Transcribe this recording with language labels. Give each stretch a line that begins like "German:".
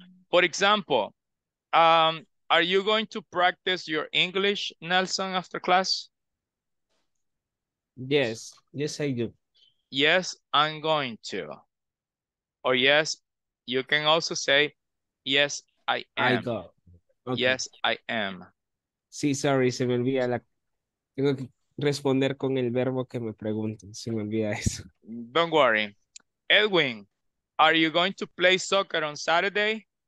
English: For example, are you going to practice your English, Nelson, after class? Yes. Yes, I do. Yes, I'm going to. Or yes, you can also say, yes, I am. I go. Okay. Yes, I am.
Spanish: Sí, sorry, se me olvida la... Tengo que responder con el verbo que me pregunten. Se me olvida eso.
English: Don't worry. Edwin, are you going to play soccer on Saturday?